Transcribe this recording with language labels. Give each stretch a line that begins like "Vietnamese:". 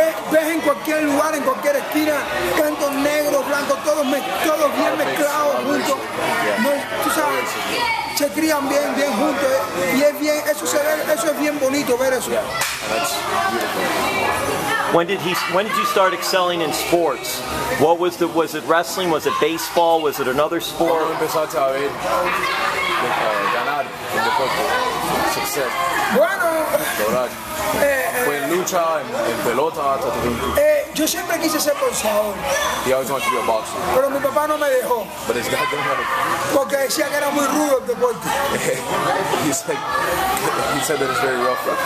Spanish: Ves en cualquier lugar, en cualquier esquina, tantos negros, blancos, todos bien mezclados juntos. No, tú sabes, se crían bien, bien juntos. Y es bien, eso se ve, eso es bien bonito ver eso.
English: When did you start excelling in sports? What was the, was it wrestling? Was it baseball? Was it another sport?
Spanish: Cuando empezaste a ver ganar en deporte, success. Bueno. Lograr. Fue en lucha, en pelota, hasta todo. Yo siempre quise ser boxeador.
English: He always wanted to be a boxer.
Spanish: Pero mi papá no me dejó.
English: But his dad didn't want to.
Spanish: Porque decía que era muy rudo el deporte.
English: He said that it's very rough.